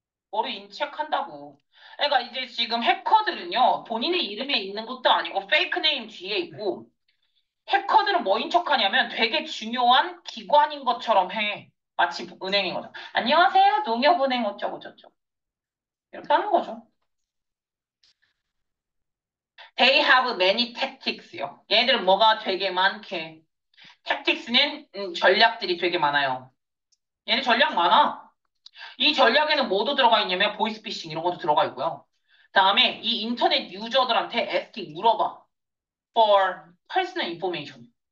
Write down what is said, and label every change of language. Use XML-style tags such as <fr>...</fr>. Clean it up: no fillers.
<ko>뭐를 인척한다고. 그러니까 이제 지금 해커들은요, 본인의 이름에 있는 것도 아니고 페이크네임 뒤에 있고, 해커들은 뭐 인척하냐면 되게 중요한 기관인 것처럼 해. 마치 은행인 거죠. 안녕하세요, 농협은행 어쩌고저쩌고. 이렇게 하는 거죠.</ko> <en>They have many tactics요.</en> <ko>얘네들은 뭐가 되게 많게. Tactics는 전략들이 되게 많아요. 얘네 전략 많아. 이 전략에는 뭐도 들어가 있냐면 보이스피싱 이런 것도 들어가 있고요. 다음에 이 인터넷 유저들한테 asking 물어봐.</ko> <en>For personal information.</en>